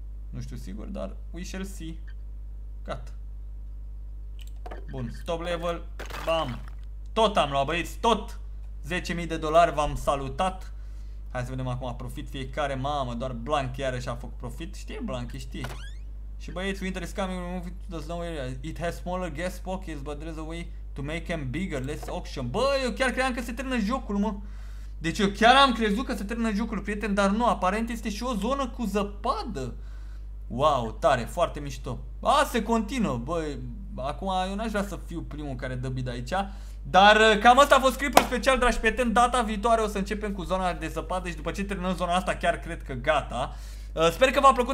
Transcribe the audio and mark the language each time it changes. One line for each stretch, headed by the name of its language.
Romanian: Nu știu sigur, dar
English: we shall see.
Romanian: Gata. Bun, stop level, bam. Tot am luat, băieți, tot. 10.000 de dolari, v-am salutat. Hai să vedem acum, profit fiecare. Mamă, doar Blank iarăși a făcut profit. Știe Blank, știe. Și băieți,
English: winter is coming, remove it to the snow area. It has smaller gas pockets, but there's a way to make them bigger, let's auction.
Romanian: Bă, eu chiar credeam că se termină jocul, mă. Deci eu chiar am crezut că se termină jocul, prieten. Dar nu, aparent este și o zonă cu zăpadă. Wow, tare, foarte mișto. A, se continuă, băi. Acum eu n-aș vrea să fiu primul care dă bid aici. Dar cam asta a fost clipul special, dragi prieteni. Data viitoare o să începem cu zona de zăpadă și după ce terminăm zona asta chiar cred că gata. Sper că v-a plăcut.